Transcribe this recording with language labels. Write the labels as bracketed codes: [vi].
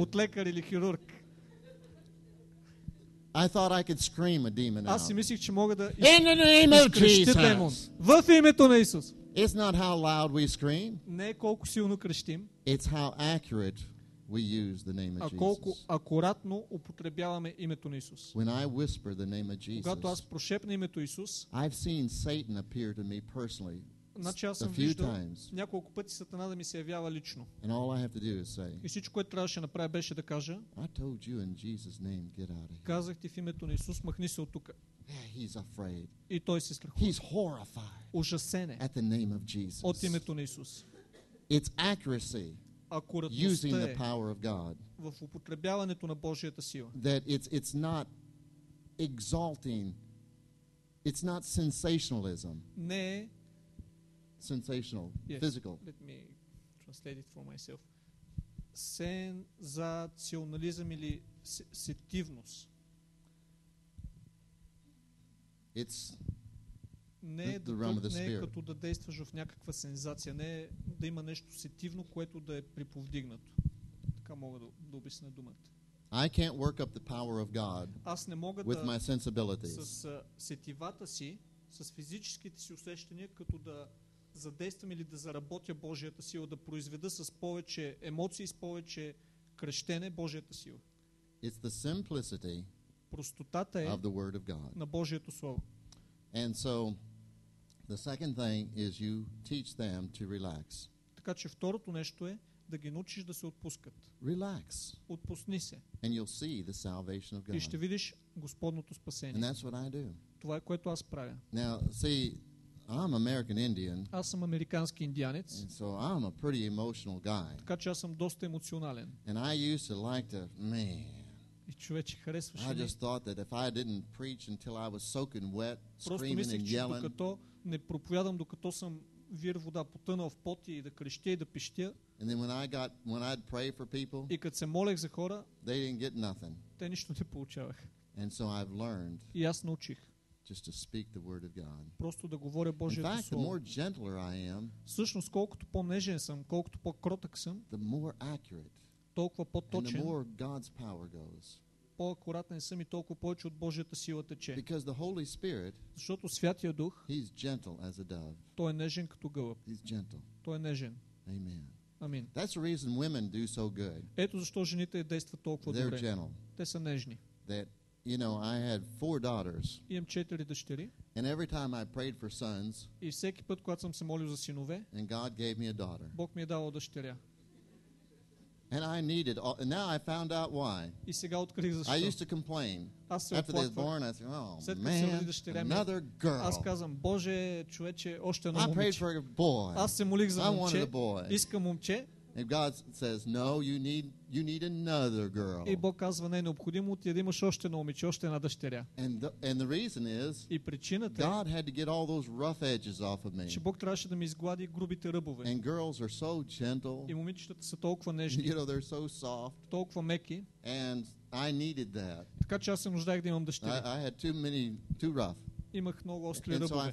[bg] От лекар или хирург. [en] I thought I could scream a demon out. [bg] Аз си мислих, че мога да [en] in the name of Jesus. [bg] Демон. В името на Исус. [en] It's not how loud we scream. [bg] Не колко силно крещим. [en] It's how accurate we use the name of Jesus. [bg] А колко акуратно употребяваме името на Исус. [en] When I whisper the name of Jesus. [bg] Когато аз прошепна името Исус. [en] I've seen Satan appear to me personally. [bg] Значи аз съм виждал няколко пъти Сатана да ми се явява лично. [en] And all I have to do is say. [bg] И всичко, което трябваше да направя, беше да кажа. [en] I told you in Jesus name get out of here. [bg] Казах ти в името на Исус, махни се от тук. [en] He's afraid. [bg] И той се страхува. [en] He's horrified. [bg] Ужасен е. [en] At the name of Jesus. [bg] От името на Исус. [en] It's accuracy. Using the power of God. [bg] В употребяването на Божията сила. [en] That it's not exalting It's not sensationalism. [bg] Не е [en] sensational, yes, physical. Let me translate it for myself. [bg] Сензационализъм или сетивност. [en] It's [bg] не е [en] the realm of the spirit. [bg] Не е като да действаш в някаква сензация, не е да има нещо сетивно, което да е приповдигнато. Така мога да обясня думата. [en] I can't work up the power of God with my sensibilities. [bg] Аз не мога да с сетивата си, с физическите си усещания, като да задействам или да заработя Божията сила, да произведа с повече емоции, с повече крещене Божията сила. [en] It's the simplicity [bg] простотата е [en] of the word of God. [bg] На Божието слово. [en] And so the second thing is you teach them to relax. [bg] Така че второто нещо е да ги научиш да се отпускат. [en] Relax. [bg] Отпусни се. [en] And you'll see the salvation of God. [bg] И ще видиш Господното спасение. [en] And that's what I do. [bg] Това е което аз правя. [en] Now, see, I'm American Indian. [bg] Аз съм американски индианец. [en] And so I'm a pretty emotional guy. [bg] Така че аз съм доста емоционален. [en] And I used to like to, man. [bg] И човече, харесваше ли? [en] I just thought that if I didn't preach until I was soaking wet, screaming [bg] мислех, [en] and yelling. [bg] Просто мислех, докато не проповядам, докато съм вир вода, потънал в пот и да крещя и да пищя. [en] And then when I'd pray for people, [bg] и като се молех за хора, [en] they didn't get nothing. [bg] Те нищо не получавах. [en] And so I've learned. [bg] И аз научих. [en] Just to speak the word of God. [bg] Просто да говоря Божието слово. [en] In fact, the more gentler I am, [bg] всъщност колкото по-нежен съм, колкото по-кротък съм, [en] the more accurate, [bg] толкова по-точен, [en] and the more God's power goes. [bg] По-акуратен съм и толкова повече от Божията сила тече. [en] Because the Holy Spirit, [bg] защото Святия Дух, [en] he's gentle as a dove. [bg] Той е нежен като гълъб. [en] He's gentle. [bg] Той е нежен. [en] Amen. Amen. That's the reason women do so good. [bg] Ето защо жените действат толкова [en] They're [bg] добре. [en] Gentle. [bg] Те са нежни. [en] That, you know, I had four daughters. [bg] Имам четири дъщери. [en] And every time I prayed for sons, [bg] и всеки път, когато съм се молил за синове, [en] and God gave me a daughter. [bg] Бог ми е дал дъщеря. [en] And I needed all, and now I found out why. [bg] И сега открих защо. [en] I used to complain. [bg] Аз се [en] after they were born, I said, oh, man, another girl. [bg] Аз казвам, Боже, човече, още едно момиче. [en] I prayed for a boy. [bg] Аз се молих за момче. [en] I wanted a boy. [bg] Искам момче. [en] And God says, no, you need another girl. [bg] И Бог казва, не, необходимо ти е да имаш още едно момиче, още една дъщеря. [en] And the reason is, [bg] и причината е, [en] God had to get all those rough edges off of me. [bg] Че Бог трябваше да ми изглади грубите ръбове. [en] And girls are so gentle. [bg] И момичетата са толкова нежни. [en] You know, they're so soft. [bg] Толкова меки. [en] And I needed that. [bg] Така че аз се нуждаех да имам дъщеря. [en] I had too many, too rough. [bg] Имах много остри ръбове.